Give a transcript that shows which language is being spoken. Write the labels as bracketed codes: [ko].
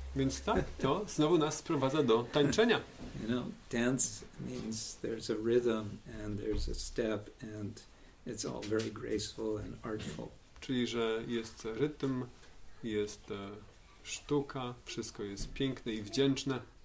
[pl] Więc tak, to znowu nas sprowadza do tańczenia. [en] Dance means there's a rhythm and there's a step and it's all very graceful and artful. [pl] Czyli, że jest rytm, jest sztuka, wszystko jest piękne i wdzięczne.